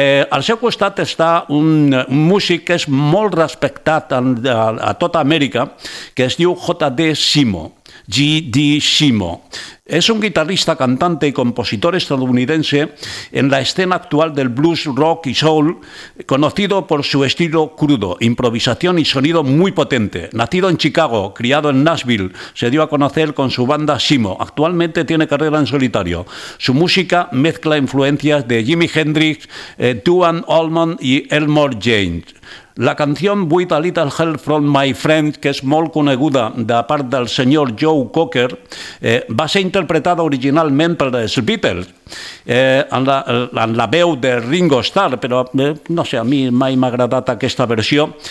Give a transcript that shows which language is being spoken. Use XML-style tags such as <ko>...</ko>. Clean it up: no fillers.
<ca>Al seu costat està un músic que és molt respectat a tota Amèrica, que es diu J.D. Simo. G.D. Simo.</ca> <es>Es un guitarrista, cantante y compositor estadounidense en la escena actual del blues, rock y soul, conocido por su estilo crudo, improvisación y sonido muy potente. Nacido en Chicago, criado en Nashville, se dio a conocer con su banda Simo. Actualmente tiene carrera en solitario. Su música mezcla influencias de Jimi Hendrix, Duane Allman y Elmore James.</es> <ca>La canción With a Little Help from My Friend, que és molt coneguda de part del senyor Joe Cocker, va ser interpretada originalment per els Beatles, en la veu de Ringo Starr, però no sé, a mi mai m'ha agradat aquesta versió.</ca>